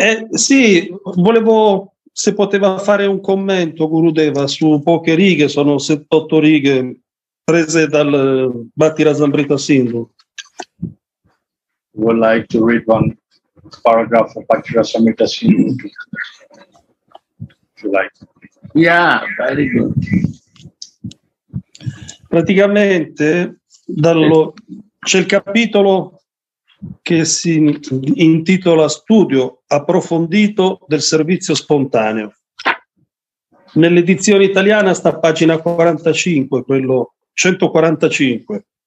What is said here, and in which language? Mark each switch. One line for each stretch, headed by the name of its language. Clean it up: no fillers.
Italian: Sì, volevo, se poteva fare un commento, Gurudeva, su poche righe, sono 7-8 righe prese dal Bhakti Rasamrita Sindhu.
English: Would like to read one paragraph of Bhakti Rasamrita Sindhu together, if you like. Yeah, very good.
Italian: Praticamente, c'è il capitolo che si intitola Studio approfondito del servizio spontaneo. Nell'edizione italiana sta a pagina 45, quello 145.